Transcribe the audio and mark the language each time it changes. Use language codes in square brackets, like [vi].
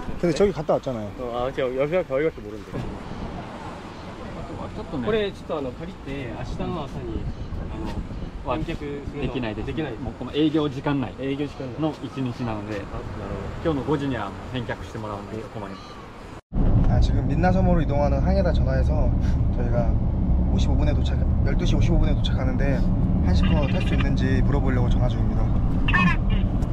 [ko] 근데 저기 갔다 왔잖아요. 여기가 거기 갈지 모르는데. [ja] これ ちょっとあの借りて明日の朝にあの、はい、返却できないです。できない。もう営業時間内。営業時間の1日なので、なるほど。今日の5時には返却してもらうので、困ります。 [ko] 아, 지금 민나섬으로 이동하는 항에다 전화해서 저희가 55분에 도착 12시 55분에 도착하는데 1시 반으로 탈 수 있는지 물어보려고 전화 중입니다.